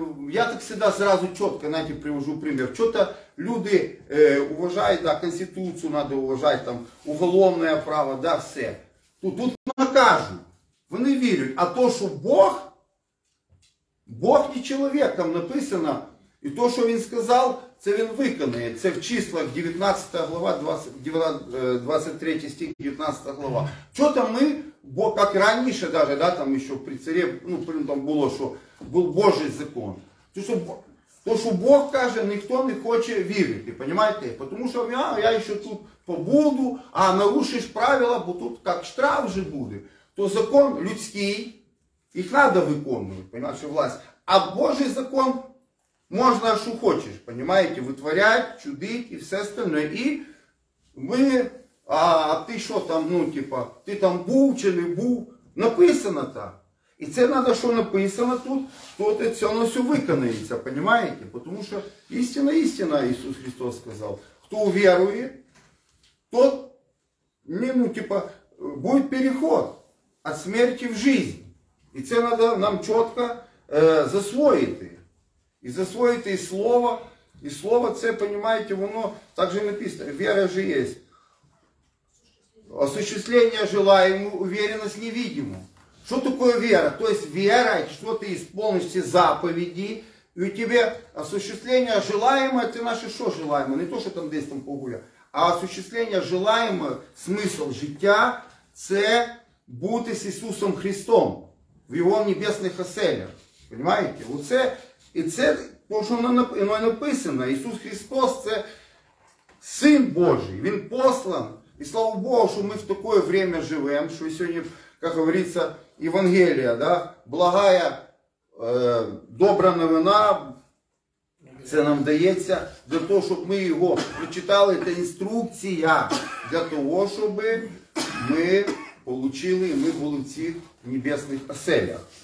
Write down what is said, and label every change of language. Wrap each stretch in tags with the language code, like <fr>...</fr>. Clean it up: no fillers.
<uk>Я так завжди зразу чітко, знаєте, привожу приклад. Чого-то люди вважають, да, конституцію треба вважати, там, уголовне право, да, все. Тут накажуть, вони вірять. А то, що Бог не чоловік, там написано, і то, що він сказав, це він виконує. Це в числах 19 глава, 23 стих, 19 глава. Чого-то ми Бо як раніше, навіть, да, там ще при царі, ну, там було, що був Божий закон. То, що Бог каже, ніхто не хоче вірити, розумієте? Тому що я ще тут побуду, а нарушиш правила, бо тут як штраф вже буде, то закон людський, їх треба виконувати, розумієте, власть. А Божий закон можна, що хочеш, розумієте, витворяти, чудити і все остальне. І ми... А ти що там, ну, типа, ти там був чи не був? Написано так. І це треба, що написано тут, то це воно все виконається, розумієте? Тому що істина, Ісус Христос сказав. Хто вірує, тот, ну, типа, буде переход від смерті в жизнь. І це треба нам чітко засвоїти. І засвоїти і слово. І слово це, розумієте, воно так же написано. Віра же є.</uk> <ru>Осуществление желаемого, уверенность невидимого. Что такое вера? То есть вера, что ты исполнишь все заповеди, и у тебя осуществление желаемое, это наше что желаемое? Не то, что там где-то там погулять. А осуществление желаемое, смысл життя, это быть с Иисусом Христом в Его небесных оселях. Понимаете? Вот это, и это то, что оно написано. Иисус Христос, это Сын Божий.</ru> <uk>Він послан. І слава Богу, що ми в таке время живемо, що сьогодні, як говориться, Євангелія, да? Благая, добра новина, це нам дається для того, щоб ми його прочитали, це інструкція для того, щоб ми отримали, ми були в цих небесних оселях.</uk>